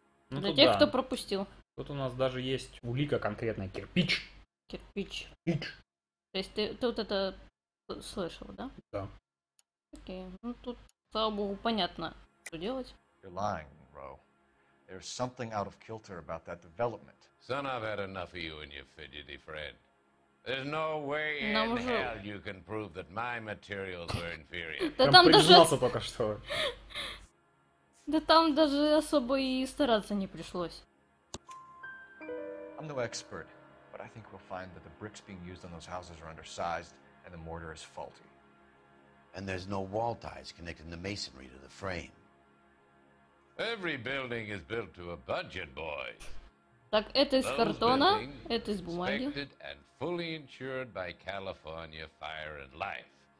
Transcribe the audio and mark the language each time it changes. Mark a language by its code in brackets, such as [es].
[ru] Ну, для тех, да, кто пропустил. Тут у нас даже есть улика конкретная. Кирпич. Кирпич. Кирпич. То есть ты вот это слышал, да? Да. Окей. Ну тут, слава богу, понятно, что делать. [en] You're lying, bro. There's something out of kilter about that development. Son, I've had enough of you and your fidgety friend. There's no way in hell you can prove that my materials were inferior. [ru] Да там даже... только что. Да там даже особо и стараться не пришлось. [en] I'm no expert, but I think we'll find that the bricks being used on those houses are undersized and the mortar is faulty. And there's no wall ties connecting the masonry to the frame. Every building is built to a budget, boy. [ru] Так, это из картона, это из бумаги. [en] Those buildings inspected and fully insured by California Fire and Life.